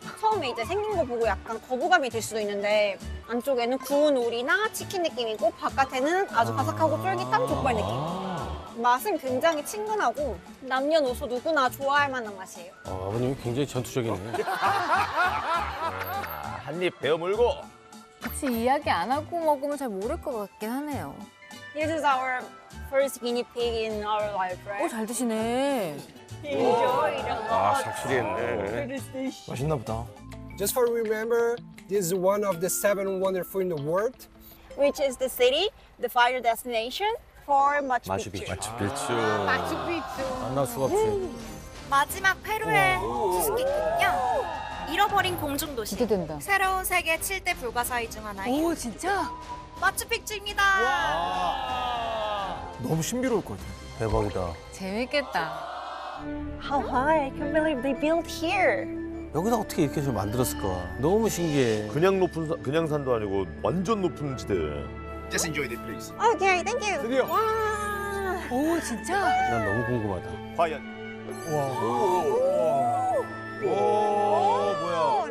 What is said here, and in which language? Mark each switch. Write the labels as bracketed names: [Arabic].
[Korean] 처음에 이제 생긴 거 보고 약간 거부감이 들 수도 있는데 안쪽에는 구운 오리나 치킨 느낌이고 바깥에는 아주 바삭하고 쫄깃한 족발 느낌. 맛은 굉장히 친근하고 남녀노소 누구나 좋아할 만한 맛이에요. 아버님이 굉장히 전투적이네. 한입 베어 물고. 같이 이야기 안 하고 먹으면 잘 모를 것 같긴 하네요. [English] This is our first guinea pig in our life, right? [Korean] 오, 잘 드시네. [English] Enjoy. [Korean] 아, 삭스리했네. 맛있나 보다. [English] Just for remember, this is one of the seven wonderful in the world. Which is the city, the final destination for Machu Picchu. Machu Picchu. [Korean] 마추 피추. 만날 수가 없지. 마지막 페루의 수수께끼는요. 잃어버린 공중도시. 기대된다. 새로운 세계 7대 불가사의 중 하나인. 오, 진짜? 마추픽추입니다. 너무 신비로울 것 같아. 대박이다. 재밌겠다. [English] How high? I can't believe they built here. [Korean] 여기다 어떻게 이렇게 좀 만들었을까? 너무 신기해. 그냥 높은 산, 그냥 산도 아니고 완전 높은 지대. [English] Just enjoy the place. Okay, thank you. [Korean] 드디어. 와. 오, 진짜? 난 너무 궁금하다. 과연. 와. 오. 오, 뭐야?